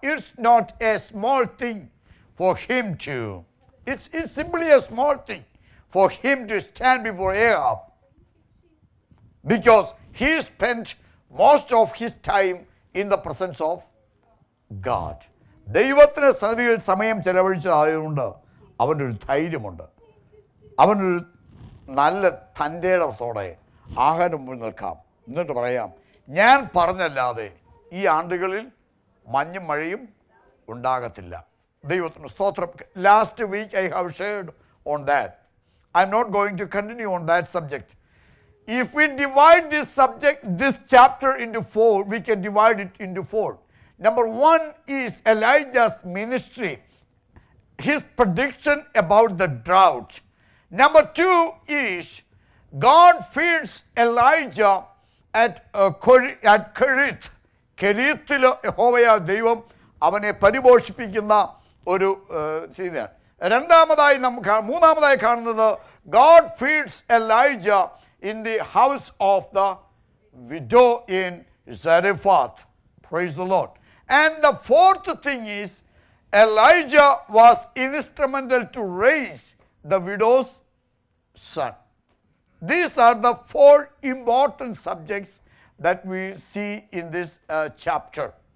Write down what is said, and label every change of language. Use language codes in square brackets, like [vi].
[en] It's not a small thing for him to. It's simply a small thing for him to stand before Ahab, because he spent most of his time in the presence of God. [ml] ദൈവത്തിന് സന്നിധിയിൽ സമയം ചെലവഴിച്ചതായതുകൊണ്ട് അവനൊരു ധൈര്യമുണ്ട്. അവനൊരു നല്ല തൻ്റെയടത്തോടെ ആഹാരം മുമ്പിൽ നിൽക്കാം. എന്നിട്ട് പറയാം, ഞാൻ പറഞ്ഞല്ലാതെ ഈ ആണ്ടുകളിൽ മഞ്ഞും മഴയും ഉണ്ടാകത്തില്ല. ദൈവത്തിന് സ്തോത്രം. [en] Last week I have shared on that. I am not going to continue on that subject. If we divide this subject, this chapter into four, we can divide it into four. Number one is Elijah's ministry, his prediction about the drought. Number two is God feeds Elijah at Kerith. [ml] കെരീത്തിൽ യഹോവയ ദൈവം അവനെ പരിപോഷിപ്പിക്കുന്ന ഒരു സീനാണ്. രണ്ടാമതായി നമുക്ക് മൂന്നാമതായി കാണുന്നത്, [en] God feeds Elijah in the house of the widow in Zarephath. Praise the Lord. And the fourth thing is, Elijah was instrumental to raise the widow's son. These are the four important subjects that we see in this chapter.